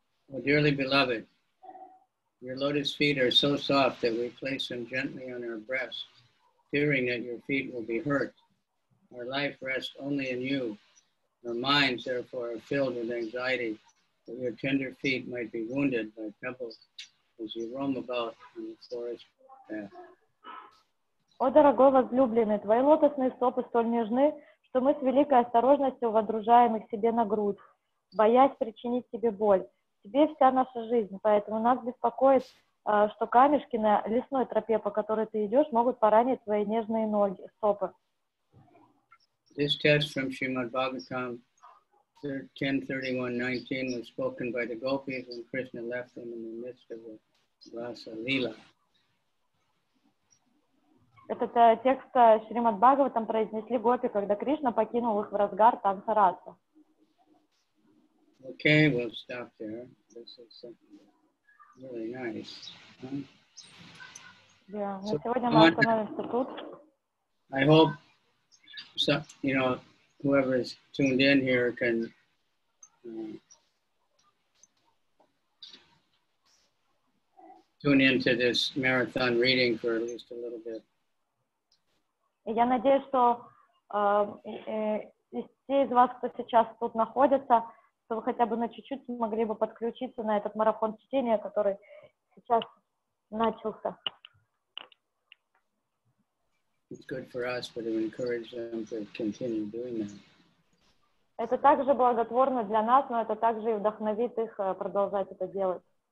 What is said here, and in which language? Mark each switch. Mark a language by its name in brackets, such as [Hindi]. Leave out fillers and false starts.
[English] Oh, dearly beloved, your lotus feet are so soft that we place them gently on our breast, fearing that your feet will be hurt. Our life rests only in you. Our minds, therefore, are filled with anxiety that your tender feet might be wounded by pebbles as you roam about in the forest path. [Russian] О, дорогой возлюбленный, твои лотосные стопы столь нежны, что мы с великой осторожностью водружаем их себе на грудь, боясь причинить тебе боль. Тебе вся наша жизнь, поэтому нас беспокоит, что камешки на лесной тропе, по которой ты идешь, могут поранить твои нежные ноги, стопы. [English] This text from Srimad Bhagavatam 10.31.19 was spoken by the gopis when Krishna left them in the midst of the Rasa Lila. [Russian] Этот текст Шримад Бхагаватам произнесли гопи, когда Кришна покинул их в разгар танца раса. [English] Okay, we'll stop there. This is really nice. Huh? Yeah, so [Russian] сегодня мы остановимся тут. [English] I hope, you know, whoever is tuned in here can tune into this marathon reading for at least a little bit. [Russian] Я надеюсь, что те из вас, кто сейчас тут находится, что вы хотя бы на чуть-чуть могли бы подключиться на этот марафон чтения, который сейчас начался. [English] It's good for us, but it encourages them to continue doing that. [Russian] Это также благотворно для нас, но это также и вдохновит их продолжать это делать.